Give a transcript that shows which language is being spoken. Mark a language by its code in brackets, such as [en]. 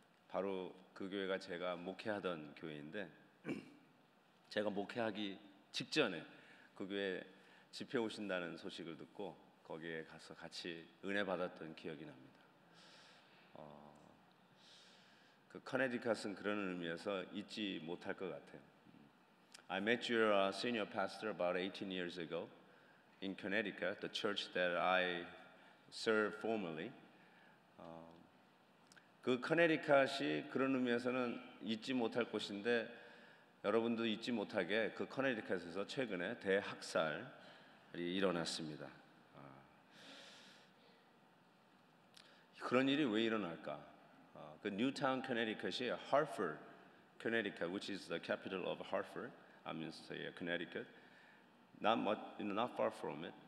[ko] 바로 그 교회가 제가 목회하던 교회인데 제가 목회하기 직전에 그 교회 집회 오신다는 소식을 듣고 거기에 가서 같이 은혜 받았던 기억이 납니다. 그 커네디컷은 그런 의미에서 잊지 못할 것 같아요. [en] I met your senior pastor about 18 years ago in Connecticut, the church that I served formerly. [ko] 그 커네디컷이 그런 의미에서는 잊지 못할 곳인데 여러분도 잊지 못하게 그 커네디컷에서 최근에 대학살이 일어났습니다. 그런 일이 왜 일어날까? 그 뉴타운 커네디컷이 하프드 커네디컷, [en] which is the capital of Hartford, I mean say Connecticut, not far from it.